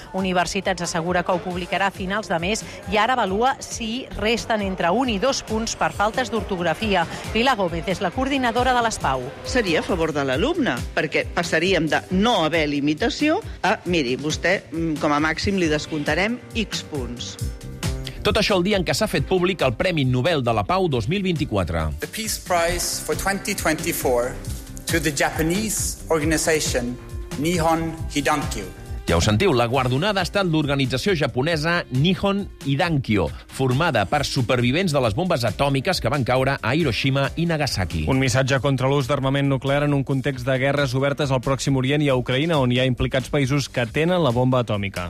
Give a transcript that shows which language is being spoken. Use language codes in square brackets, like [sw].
[ca] Universitats assegura que ho publicarà a finals de mes i ara avalua si resten entre 1 i 2 punts per faltes d'ortografia. Pilar Gómez és la coordinadora de l'ESPAU. Seria a favor de l'alumne, perquè passaríem de no haver limitació a, miri, vostè, com a màxim, li descomptarem X punts. Tot això el dia en què s'ha fet públic el Premi Nobel de la Pau 2024. [en] The Peace Prize for 2024 to the Japanese organization Nihon Hidankyo. [ca] Ja ho sentiu, la guardonada ha estat l'organització japonesa Nihon Hidankyo, formada per supervivents de les bombes atòmiques que van caure a Hiroshima i Nagasaki. Un missatge contra l'ús d'armament nuclear en un context de guerres obertes al Pròxim Orient i a Ucraïna, on hi ha implicats països que tenen la bomba atòmica.